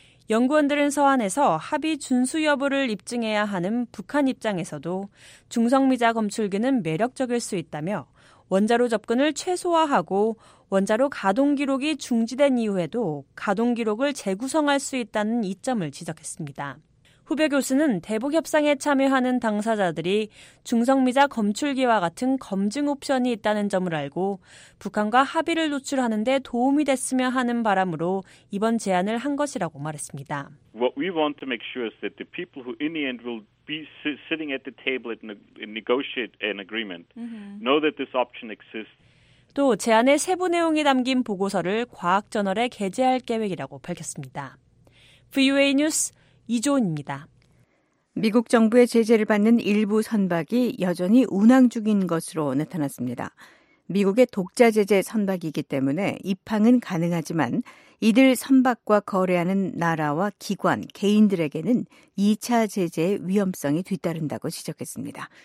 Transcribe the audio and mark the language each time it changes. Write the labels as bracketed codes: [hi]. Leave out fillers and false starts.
[ko] 연구원들은 서한에서 합의 준수 여부를 입증해야 하는 북한 입장에서도 중성미자 검출기는 매력적일 수 있다며 원자로 접근을 최소화하고 원자로 가동 기록이 중지된 이후에도 가동 기록을 재구성할 수 있다는 이점을 지적했습니다. 후배 교수는 대북 협상에 참여하는 당사자들이 중성미자 검출기와 같은 검증 옵션이 있다는 점을 알고 북한과 합의를 노출하는 데 도움이 됐으면 하는 바람으로 이번 제안을 한 것이라고 말했습니다. [en] What we want to make sure is that the people who in the end will be sitting at the table and negotiate an agreement know that this option exists. [ko] 또 제안의 세부 내용이 담긴 보고서를 과학 저널에 게재할 계획이라고 밝혔습니다. VOA 뉴스 이조은입니다. 미국 정부의 제재를 받는 일부 선박이 여전히 운항 중인 것으로 나타났습니다. 미국의 독자 제재 선박이기 때문에 입항은 가능하지만 이들 선박과 거래하는 나라와 기관, 개인들에게는 2차 제재의 위험성이 뒤따른다고 지적했습니다.